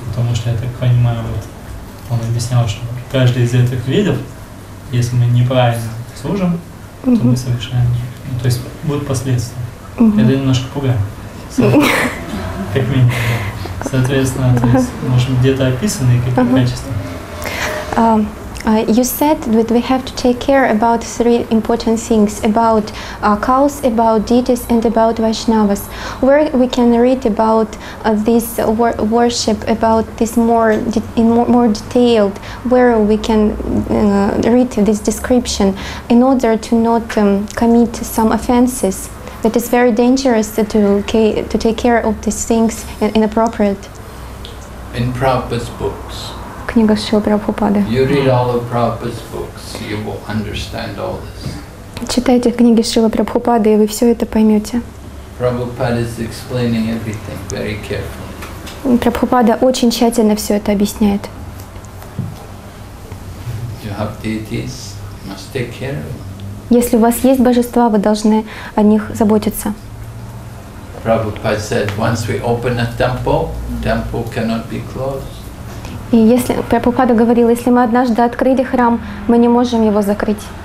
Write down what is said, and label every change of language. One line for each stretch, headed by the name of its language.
Russian: Потому что, я так понимаю, вот он объяснял, что каждый из этих видов, если мы неправильно служим, то мы совершаем грех. Ну, то есть будут последствия. Это немножко пугает. Как минимум, да. Соответственно, то есть, может быть, где-то описаны какие-то качества.
English: You said that we have to take care about three important things, about cows, about deities, and about Vaishnavas. Where we can read about this worship, about this more more detailed, where we can read this description in order to not commit some offenses. That is very dangerous to take care of these things inappropriate. In Prabhupada's books.
Russian: Книга Шрилы Прабхупады.
English: You read all of Prabhupada's books, you will understand all this.
Russian: Читайте книги Шрилы Прабхупады, и вы все это поймете.
English: Prabhupada is explaining everything very carefully.
Russian: Прабхупада очень тщательно все это объясняет.
English: You have deities, you must take care of them.
Russian: Если у вас есть божества, вы должны о них заботиться.
English: Prabhupada said, once we open a temple, temple cannot be closed.
Russian: И если Прабхупада говорил, если мы однажды открыли храм, мы не можем его закрыть.